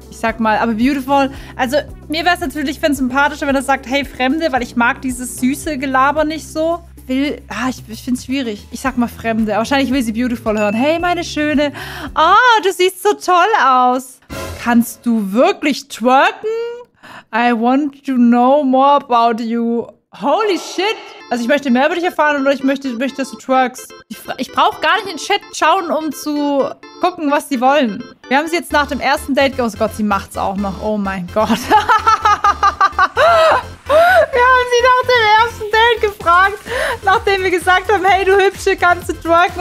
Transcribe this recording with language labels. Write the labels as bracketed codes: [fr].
[de] Ich sag mal, aber beautiful. Also, mir wäre es natürlich viel sympathischer, wenn er sagt, hey, Fremde, weil ich mag dieses süße Gelaber nicht so. Will, ah, ich finde es schwierig. Ich sag mal Fremde. Wahrscheinlich will sie beautiful hören. Hey, meine Schöne. Oh, du siehst so toll aus. Kannst du wirklich twerken? [en] I want to know more about you. Holy shit. [de] Also ich möchte mehr über dich erfahren oder ich möchte, dass du twerkst. Ich brauche gar nicht in den Chat schauen, um zu gucken, was sie wollen. Wir haben sie jetzt nach dem ersten Date... Oh Gott, sie macht's auch noch. Oh mein Gott. Wir haben sie nach dem ersten Date gefragt, nachdem wir gesagt haben, hey, du Hübsche, kannst du twerken?